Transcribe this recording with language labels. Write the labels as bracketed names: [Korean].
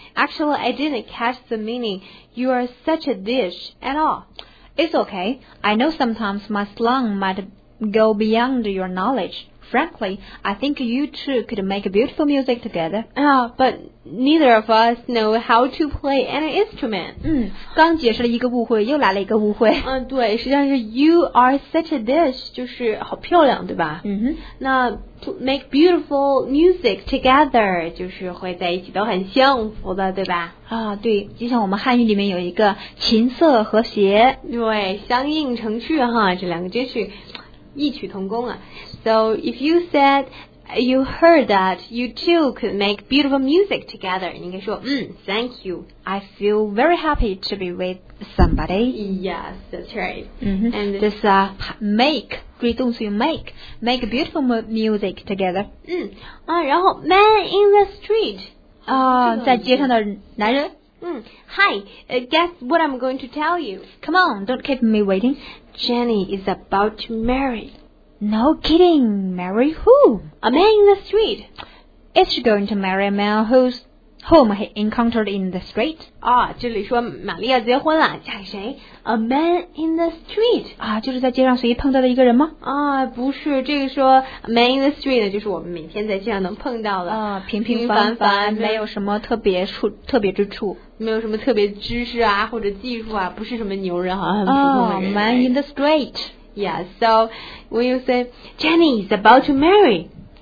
[English] Actually, I didn't catch the meaning. You are such a dish at all. It's okay. I know sometimes my slang might. Go beyond your knowledge. Frankly, I think you two could make beautiful music together. But neither of us know how to play an instrument. [Chinese] 刚解释了一个误会，又来了一个误会。对，实际上是 [English] you are such a dish, [Chinese] 就是好漂亮，对吧？那 [English] to make beautiful music together, [Chinese] 就是会在一起都很幸福的，对吧？对，就像我们汉语里面有一个琴瑟和谐。对，相映成趣哈，这两个真是异曲同工啊。 [English] So if you said you heard that you two could make beautiful music together, [Chinese] 应该说 [English] thank you. I feel very happy to be with somebody. Yes, that's right. And this make, [Chinese] 注意动词用 [English] make beautiful music together. [Chinese] 然后 [English] man in the street. [Chinese] 在街上的男人。 [English] Hi, guess what I'm going to tell you. Come on, don't keep me waiting. Jenny is about to marry. No kidding, marry who? A man in the street. Is she going to marry a man whom he encountered in the street? [Chinese] 这里说玛丽要结婚了，嫁给谁？ [English] A man in the street. [Chinese] 就是在街上随意碰到的一个人吗？不是，这个说 [English] a man in the street [Chinese] 就是我们每天在街上能碰到的。平凡，没有什么特别之处。没有什么特别知识啊，或者技术啊，不是什么牛人，好像很普通的 [English] 人。Man in the street. Yeah, so when you say, Jenny is about to marry.